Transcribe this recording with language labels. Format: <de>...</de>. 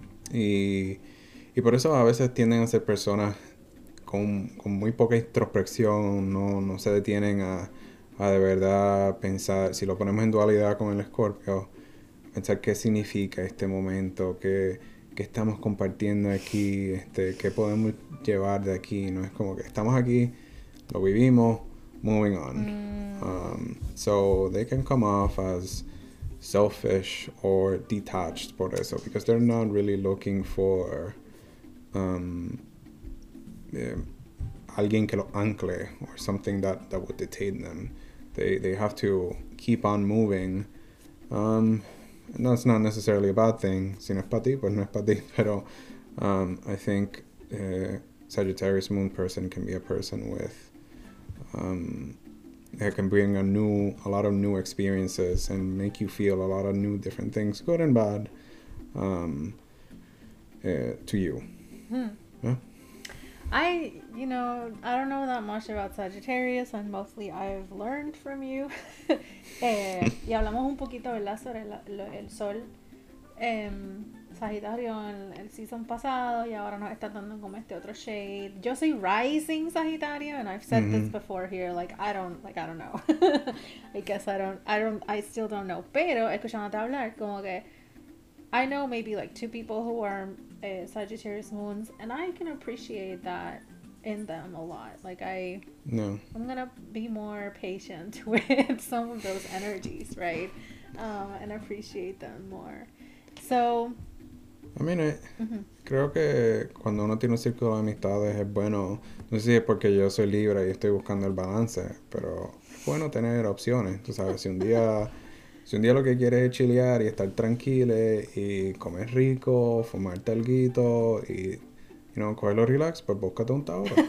<es>Y por eso a veces tienden a ser personas con muy poca introspección, no se detienen a de verdad pensar, si lo ponemos en dualidad con el Escorpio, pensar qué significa este momento, qué estamos compartiendo aquí, qué podemos llevar de aquí, ¿no? Es como que estamos aquí, lo vivimos,</es> <en>moving on. They can come off as selfish or detached</en> <es>por eso,</es> <en>because they're not really looking for</en> <es>alguien que lo ancle</es> <en>or something that would detain them. They have to keep on moving. And that's not necessarily a bad thing.</en> <es>Si no es para ti, pues no es para ti. Pero</es> <en>I think Sagittarius Moon person can be a person with that can bring a lot of new experiences and make you feel a lot of new different things, good and bad, to you. I don't know that much about Sagittarius, and mostly I've learned from you.</en> <es>Y hablamos un poquito, ¿verdad?, sobre el sol Sagitario en el season pasado, y ahora nos está dando como este otro shade. Yo soy</es> <en>rising Sagitario, and I've said this before here, I don't know. I guess I still don't know.</en> <es>Pero escuchándote hablar, como que</es> <en>I know maybe like two people who are Sagittarius moons, and I can appreciate that in them a lot. Like No. I'm gonna be more patient with some of those energies, right? And appreciate them more. So.</en> <es>I mean, creo que cuando uno tiene un círculo de amistades es bueno, no sé si es porque yo soy Libra y estoy buscando el balance, pero es bueno tener opciones, tú sabes, si un día lo que quieres es chilear y estar tranquilo y comer rico, fumarte alguito y cogerlo relax, pues búscate un Tauro.</es>